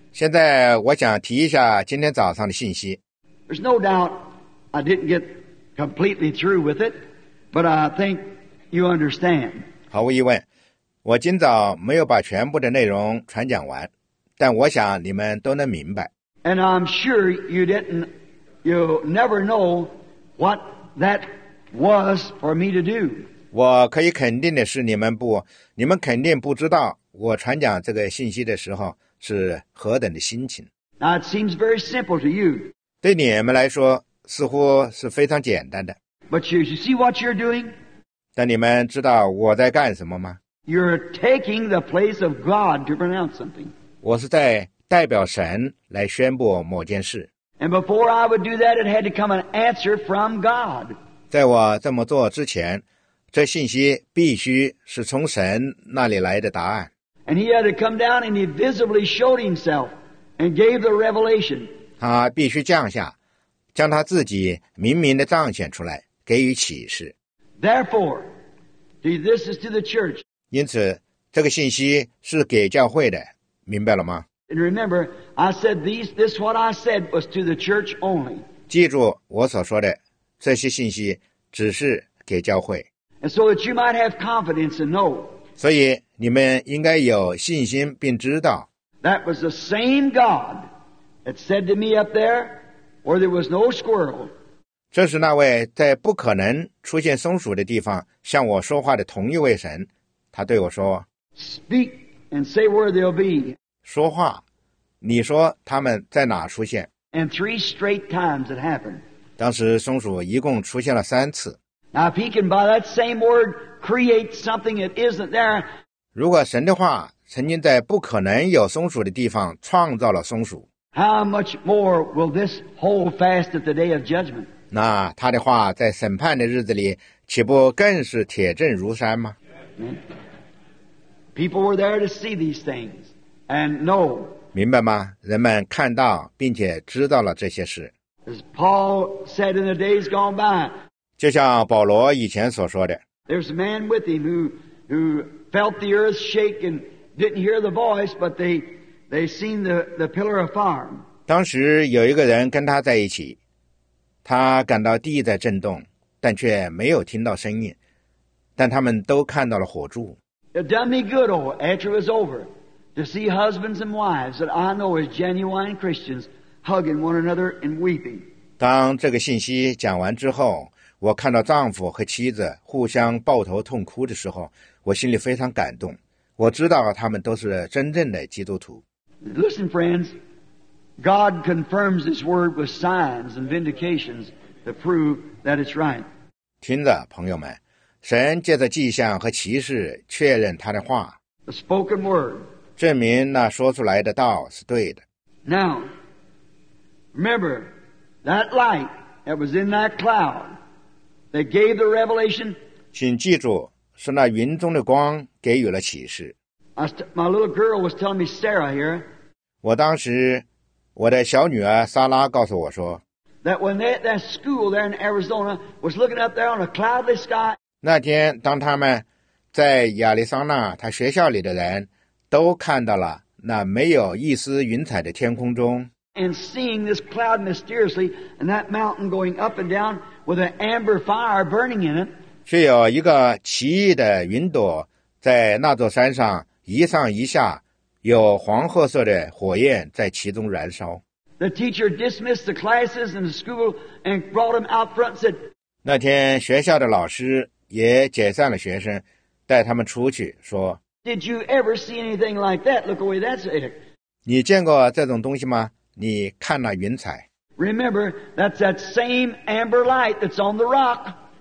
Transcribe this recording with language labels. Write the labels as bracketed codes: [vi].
[zh] 现在我想提一下今天早上的信息。 [en] There's no doubt I didn't get completely through with it, but I think you understand. [zh] 毫无疑问，我今早没有把全部的内容传讲完，但我想你们都能明白。 [en] And I'm sure you never know what that was for me to do. [zh] 我可以肯定的是，你们肯定不知道我传讲这个信息的时候是何等的心情。 [en] Now it seems very simple to you. [zh] 对你们来说似乎是非常简单的。 [en] But you see what you're doing? [zh] 但你们知道我在干什么吗？ [en] You're taking the place of God to pronounce something. [zh] 我是在代表神来宣布某件事。 [en] And before I would do that, it had to come an answer from God. [zh] 在我这么做之前，这信息必须是从神那里来的答案。 [en] And he had to come down and he visibly showed himself and gave the revelation. [zh] 他必须降下，将他自己明明的彰显出来，给予启示。 [en] Therefore, this is to the church. [zh] 因此，这个信息是给教会的，明白了吗？ [en] And remember, I said this what I said was to the church only. [zh] 记住我所说的这些信息只是给教会。 [en] And so that you might have confidence and know. [zh] 所以你们应该有信心并知道。 [en] That was the same God that said to me up there, where there was no squirrel. [zh] 这是那位在不可能出现松鼠的地方向我说话的同一位神，他对我说 [en] ,Speak and say where they'll be. [zh] 说话，你说他们在哪出现？ [en] And three straight times it happened. [zh] 当时松鼠一共出现了三次。 [en] Now if he can by that same word create something that isn't there, [zh] 如果神的话曾经在不可能有松鼠的地方创造了松鼠， [en] How much more will this hold fast at the day of judgment? [zh] 那他的话在审判的日子里岂不更是铁证如山吗？ [en] People were there to see these things. And no, [zh] 明白吗？人们看到并且知道了这些事。 [en] As Paul said in the days gone by, [zh] 就像保罗以前所说的， [en] There's a man with him who felt the earth shake and didn't hear the voice, but they seen the pillar of fire. [zh] 当时有一个人跟他在一起，他感到地在震动，但却没有听到声音，但他们都看到了火柱。 [en] It done me good, after it was over. To see husbands and wives that I know as genuine Christians hugging one another and weeping. [zh] 当这个信息讲完之后，我看到丈夫和妻子互相抱头痛哭的时候，我心里非常感动。我知道他们都是真正的基督徒。 [en] Listen, friends, God confirms His word with signs and vindications to prove that it's right. [zh] 听着，朋友们，神借着迹象和奇事确认他的话。 [en] The spoken word. [zh] 证明那说出来的道是对的。 [en] Now, remember, that light that was in that cloud that gave the revelation. [zh] 请记住，是那云中的光给予了启示。 [en] My little girl was telling me Sarah here. [zh] 我当时，我的小女儿莎拉告诉我说。 [en] That when that school there in Arizona was looking up there on a cloudy sky. [zh] 那天，当他们在亚利桑那他学校里的人。都看到了那没有一丝云彩的天空中。 [en] And seeing this cloud mysteriously and that mountain going up and down with an amber fire burning in it. [zh] 却有一个奇异的云朵在那座山上一上一下有黄褐色的火焰在其中燃烧。 [en] The teacher dismissed the classes and the school and brought them out front and said, [zh] 那天学校的老师也解散了学生带他们出去说 [en] Did you ever see anything like that? Look away, that's it. [zh] 你见过这种东西吗？你看那云彩。 [en] Remember, that's that same amber light that's on the rock.